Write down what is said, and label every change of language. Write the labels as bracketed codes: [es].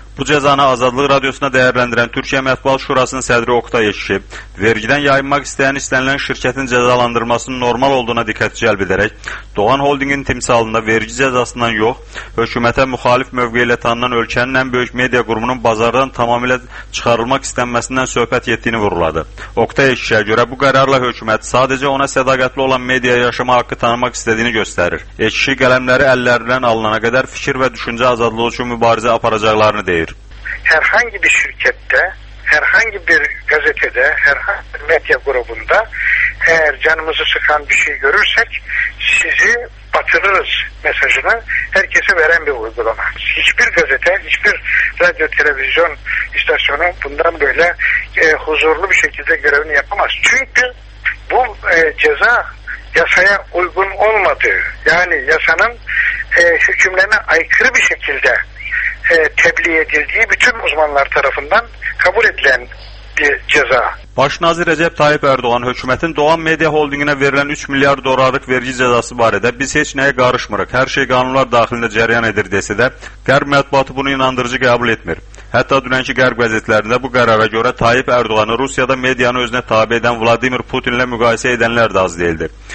[az] Bu cəzanı Azadlıq Radiosuna dəyərləndirən Türkiyə Mətbuat Şurasının sədri Oktay Ekşi, vergidən yayınmaq istəyən istənilən şirkətin cəzalandırmasının normal olduğuna diqqət cəlb edərək, Doğan Holdingin timsalında vergi cəzasından yox, hökumətə müxalif mövqe ilə tanınan ölkənin ən böyük media qurumunun bazardan tamamilə çıxarılmaq istənməsindən söhbət yetdiyini vurguladı. Oktay Ekşiyə görə bu qərarla hökumət sadəcə ona sədaqətli olan media yaşama haqqı tanımaq istədiyini göstərir. Ekşi qələmləri əllərindən alınana qədər fikir və düşüncə azadlığı üçün mübarizə aparacaqlarını deyir. [tr] Herhangi bir şirkette, herhangi bir gazetede, herhangi bir medya grubunda eğer canımızı sıkan bir şey görürsek sizi batırırız mesajını herkese veren bir uygulama. Hiçbir gazete, hiçbir radyo televizyon istasyonu bundan böyle huzurlu bir şekilde görevini yapamaz. Çünkü bu ceza yasaya uygun olmadığı, yani yasanın hükümlerine aykırı bir şekilde tebliğ edildiği bütün uzmanlar tarafından kabul edilen bir ceza. [az] Başnazir Recep Tayyip Erdoğan hökumətin Doğan Media Holdinginə verilən 3 milyard dolarlıq vergi cəzası barədə biz heç nəyə qarışmırıq, hər şey qanunlar daxilində cərəyan edir desə də, Qərb mətbuatı bunu inandırıcı qəbul etmir. Hətta dünənki Qərb qəzetlərində bu qərara görə Tayyip Erdoğanı Rusiyada medianı özünə tabe edən Vladimir Putin ilə müqayisə edənlər də az deyildi.